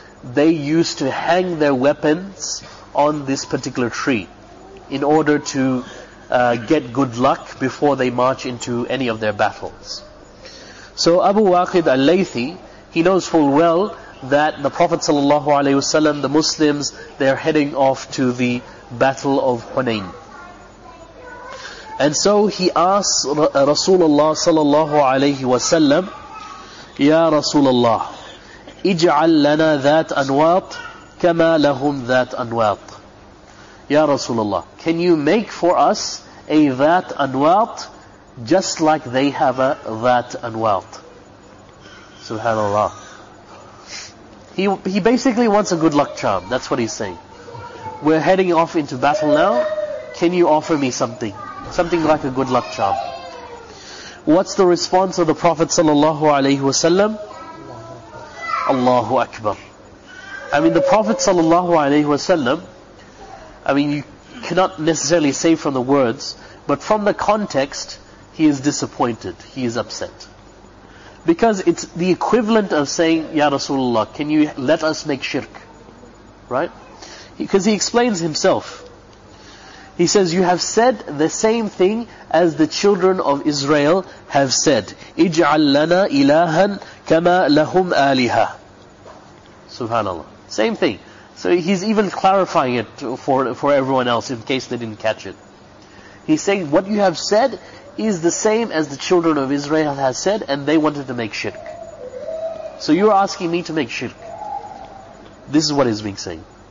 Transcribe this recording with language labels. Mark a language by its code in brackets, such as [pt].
[en] They used to hang their weapons on this particular tree in order to get good luck before they march into any of their battles. So Abu Waqid al-Laythi, he knows full well that the Prophet ﷺ, the Muslims, they are heading off to the Battle of Hunain. And so he asks Rasulullah ﷺ, Ya Rasulullah, [ar] اجعل لنا ذات أنواط كما لهم ذات أنواط. [en] Ya Rasulullah, can you make for us a ذات أنواط just like they have a ذات أنواط? Subhanallah. He basically wants a good luck charm. That's what he's saying. We're heading off into battle now. Can you offer me something? Something like a good luck charm. What's the response of the Prophet sallallahu alayhi wa sallam? Allahu Akbar. I mean, the Prophet sallallahu alayhi wasallam, I mean, you cannot necessarily say from the words, but from the context, he is disappointed, he is upset. Because it's the equivalent of saying, Ya Rasulullah, can you let us make shirk? Right? Because he explains himself. He says, you have said the same thing as the children of Israel have said. [ar] اجعل لنا إلهاً كما لهم آلهة. [en] Subhanallah. Same thing. So he's even clarifying it for everyone else in case they didn't catch it. He's saying, what you have said is the same as the children of Israel have said, and they wanted to make shirk. So you're asking me to make shirk. This is what he's being saying.